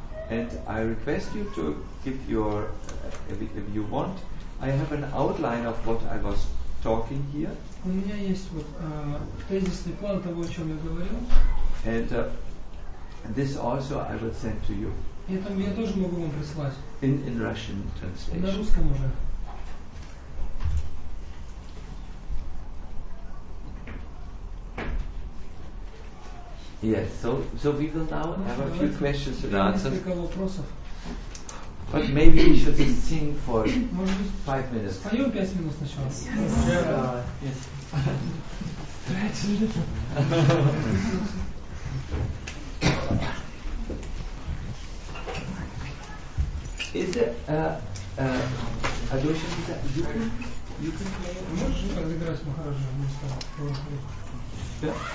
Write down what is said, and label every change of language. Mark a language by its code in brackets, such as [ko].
[en] And I request you to give your, if you want, I have an outline of what I was talking here. [ru] У меня есть вот тезисный план того, о чем я говорил. [en] And this also I will send to you. [ru] Это я тоже могу вам прислать. [en] In Russian translation. [ru] На русском уже. [en] Yes, so we will now have a few questions and answers. But maybe we should just sing for 5 minutes. [ru] Споем 5 минут сначала. [en] Yes. Is there a Adoshan, is that you can play? [ru] Можешь так играть, Махараджа, вместо того?